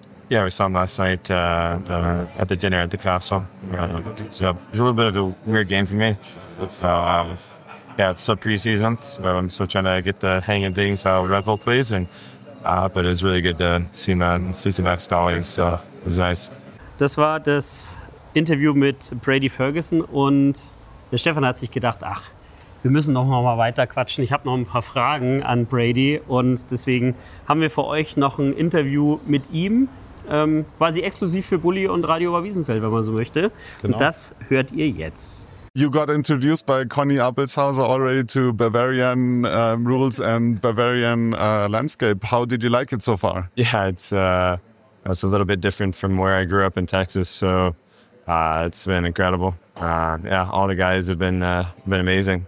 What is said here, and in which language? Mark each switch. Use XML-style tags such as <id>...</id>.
<en>Yeah, we saw him last night at the dinner at the castle. So it was a little bit of a weird game for me. So yeah, it's still preseason, so I'm still trying to get the hang of things, how Red Bull plays. But it was really good to see him see some ex-colleagues, so it was nice.</en> <de>Das war das Interview mit Brady Ferguson, und der Stefan hat sich gedacht, ach, wir müssen noch mal weiter quatschen. Ich habe noch ein paar Fragen an Brady, und deswegen haben wir für euch noch ein Interview mit ihm. Quasi exklusiv für Bully und Radio Oberwiesenfeld, wenn man so möchte. Genau. Und das hört ihr jetzt.</de> <en>You got introduced by Conny Appelshauser already to Bavarian rules and Bavarian landscape. How did you like it so far? Yeah, it's a little bit different from where I grew up in Texas. So it's been incredible. Yeah, all the guys have been amazing.</en>